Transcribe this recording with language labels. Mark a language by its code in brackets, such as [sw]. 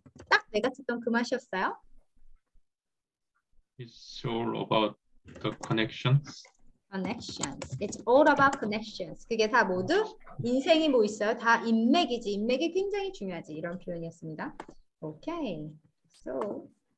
[ko] 딱 내가 찾던 그 맛이었어요. [en] It's all about the connections. Connections. It's all about connections. [ko] 그게 다 모두 인생이 뭐 있어요? 다 인맥이지. 인맥이 굉장히 중요하지. 이런 표현이었습니다. Okay. So